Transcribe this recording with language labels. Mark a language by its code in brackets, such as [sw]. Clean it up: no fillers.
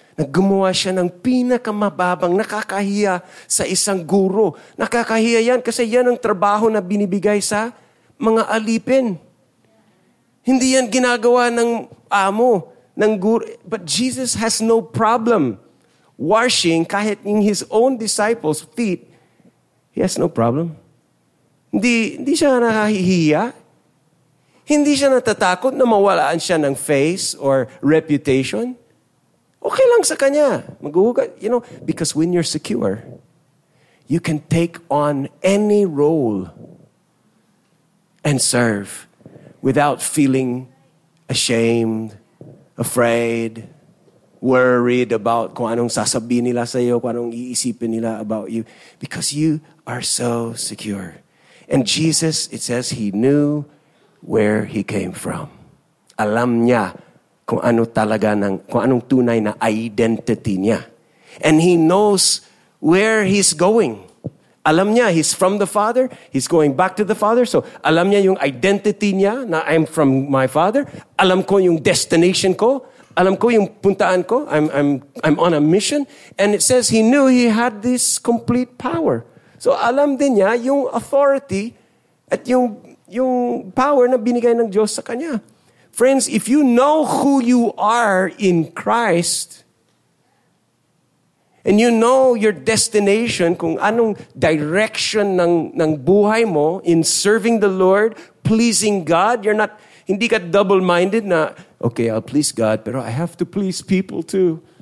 [tl] Naggumawa siya ng pinakamababang nakakahiya sa isang guro. Nakakahiya yan kasi yan ang trabaho na binibigay sa mga alipin. Hindi yan ginagawa ng amo, ng guro. [en] But Jesus has no problem washing [tl] kahit [en] in his own disciples' feet. He has no problem. [tl] Hindi siya nakahihiya. Hindi siya natatakot na mawalaan siya ng [en] face or reputation. [tl] Okay lang sa kanya. [en] Maghuhugas, you know, because when you're secure, you can take on any role and serve without feeling ashamed, afraid, worried about [tl] kung anong sasabihin nila sa iyo, kung anong iisipin nila about [en] you, because you are so secure. And Jesus, it says, he knew where he came from. [tl] Alam niya kung ano talaga ng, kung anong tunay na identity niya. [en] And he knows where he's going. [tl] Alam niya, [en] he's from the Father. He's going back to the Father. So, [tl] alam niya yung identity niya na [en] I'm from my Father. [tl] Alam ko yung destination ko. Alam ko yung puntaan ko. [en] I'm on a mission. And it says he knew he had this complete power. [tl] So alam din niya yung authority at yung power na binigay ng Diyos sa kanya. [en] Friends, if you know who you are in Christ, and you know your destination, [tl] kung anong direction ng buhay mo [en] in serving the Lord, pleasing God, you're not, [tl] hindi ka double-minded na, [en] okay, I'll please God, pero I have to please people too.